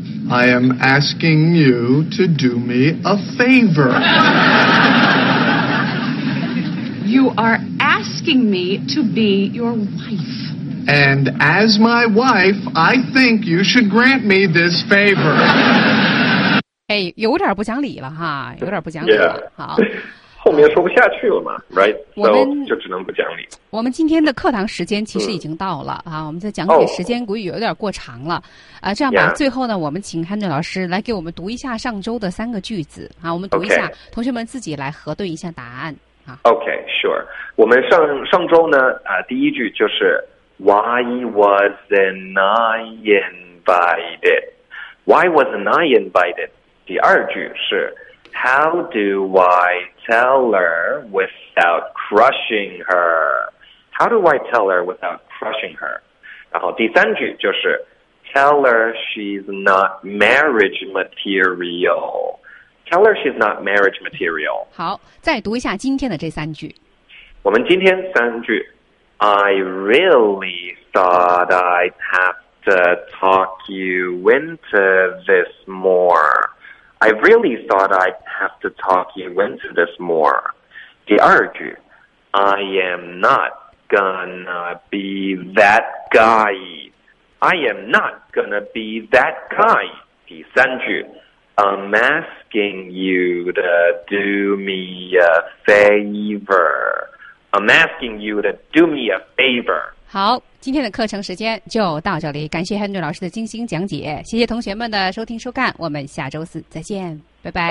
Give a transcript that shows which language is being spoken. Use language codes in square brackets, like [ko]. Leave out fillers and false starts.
[en] I am asking you to do me a favor. You are asking me to be your wife. And as my wife, I think you should grant me this favor. [zh] 哎，有点不讲理了哈，有点不讲理了。 Yeah. 好，后面说不下去了嘛 ，right？ 就只能不讲理。我们今天的课堂时间其实已经到了、啊，我们在讲解时间估计有点过长了，啊、这样吧， yeah. 最后呢，我们请汉正老师来给我们读一下上周的三个句子啊，我们读一下， okay. 同学们自己来核对一下答案。 [en] Okay, sure. [zh] 我们上周呢，第一句就是 [en] Why wasn't I invited? Why wasn't I invited? [zh] 第二句是 [en] How do I tell her without crushing her? How do I tell her without crushing her? [zh] 然后第三句就是 [en] Tell her she's not marriage material. Tell her she's not marriage material. [zh] 好，再读一下今天的这三句。我们今天三句 [en] ，I really thought I'd have to talk you into this more. I really thought I'd have to talk you into this more. [zh] 第二句 [en] ，I am not gonna be that guy. I am not gonna be that guy. [zh] 第三句 [en] I'm asking you to do me a favor. I'm asking you to do me a favor. [zh] 好，今天的课程时间就到这里，感谢 Henry 老师的精心讲解，谢谢同学们的收听收看，我们下周四再见，拜拜。